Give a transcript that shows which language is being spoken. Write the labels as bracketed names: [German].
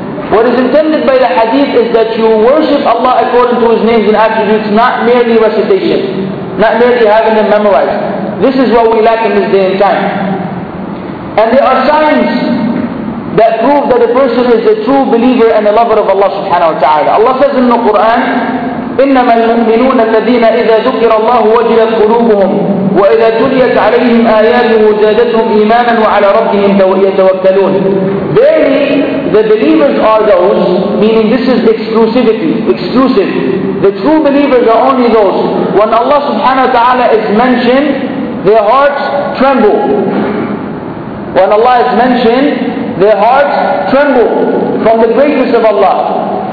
[English] What is intended by the hadith is that you worship Allah according to His names and attributes, not merely recitation, not merely having them memorized. This is what we lack in this day and time. And there are signs that prove that a person is a true believer and a lover of Allah subhanahu wa ta'ala. Allah says in the Quran, [Arabic] إنما المؤمنون الذين إذا ذكر الله وجلت قلوبهم وإذا تليت عليهم آياته زادتهم إيمانا وعلى ربهم يتوكلون. [English] Verily, the believers are those, meaning this is exclusivity, exclusive. The true believers are only those. When Allah subhanahu wa ta'ala is mentioned, their hearts tremble. When Allah is mentioned, their hearts tremble from the greatness of Allah.